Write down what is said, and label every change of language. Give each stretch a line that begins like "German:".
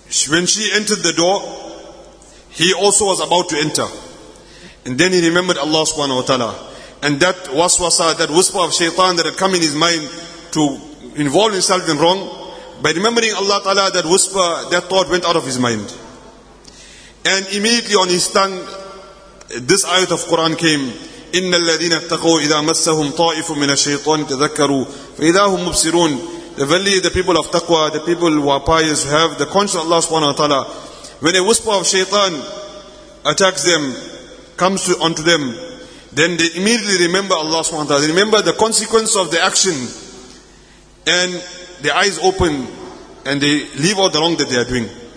English: When she entered the door, he also was about to enter. And then he remembered Allah subhanahu wa ta'ala. And that waswasa, that whisper of shaitan that had come in his mind to involve himself in wrong, by remembering Allah ta'ala, that whisper, that thought went out of his mind. And immediately on his tongue, this ayat of Quran came,
Arabic: إِنَّ الَّذِينَ اتَّقَوْا إِذَا مَسَّهُمْ طَائِفٌ مِّنَ الشَّيْطَانِ تَذَكَّرُوا فَإِذَا هُمْ مُبْصِرُونَ.
English: The valley, the people of taqwa, the people who are pious, who have the conscience of Allah subhanahu wa ta'ala, when a whisper of shaitan attacks them, comes onto them, then they immediately remember Allah subhanahu wa ta'ala. They remember the consequence of the action, and their eyes open, and they leave all the wrong that they are doing.